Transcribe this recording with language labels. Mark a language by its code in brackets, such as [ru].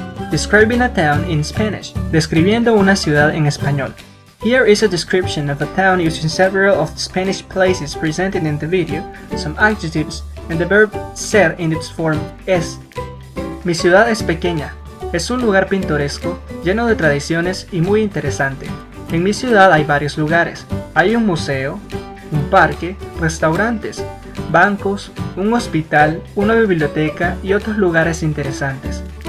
[en] Describing a town in Spanish. [es] Describiendo una ciudad en español. [en] Here is a description of a town using several of the Spanish places presented in the video, some adjectives, and the verb ser in its form es. [es] Mi ciudad es pequeña. Es un lugar pintoresco, lleno de tradiciones y muy interesante. En mi ciudad hay varios lugares. Hay un museo, un parque, restaurantes, bancos, un hospital, una biblioteca y otros lugares interesantes.